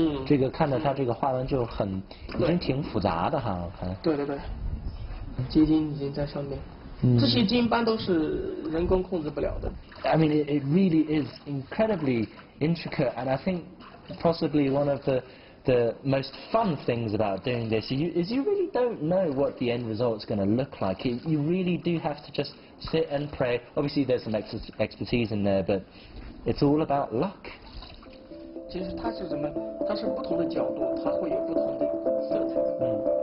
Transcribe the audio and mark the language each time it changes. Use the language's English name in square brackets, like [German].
[Chinese] 这个看着它这个花纹就很，已经挺复杂的哈，我看。对，结晶已经在上面。这些金斑都是人工控制不了的。 [English] I mean, it really is incredibly intricate, and I think possibly one of the most fun things about doing this is you really don't know what the end result's going to look like. You really do have to just sit and pray. Obviously, there's some expertise in there, but it's all about luck. [Chinese] 其实它是什么？它是不同的角度，它会有不同的色彩。